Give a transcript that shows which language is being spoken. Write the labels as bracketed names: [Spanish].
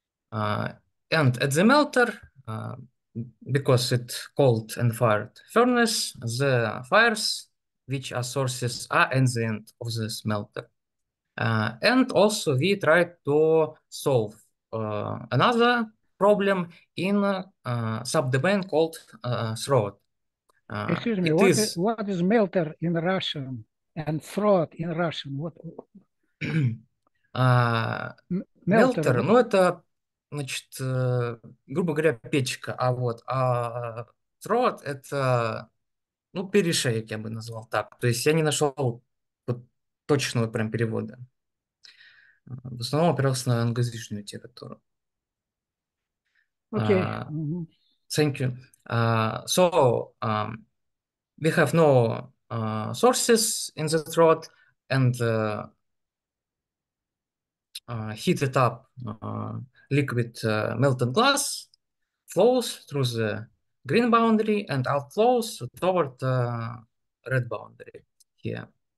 [English] And at the melter, because it cold and fired furnace, the fires, which are sources, are at the end of the smelter. And also we try to solve another problem in subdomain called throat. Excuse me, what is melter in Russian and throat in Russian? What [Russian] Melter, ну это, значит, грубо говоря, печка, а вот а throat это, ну, перешейк я бы назвал так. То есть я не нашел точного прям перевода. В основном опирался на англоязычную литературу. [English] Okay. Thank you. So we have no sources in the throat, and heated up liquid melted glass flows through the green boundary and outflows toward the red boundary here.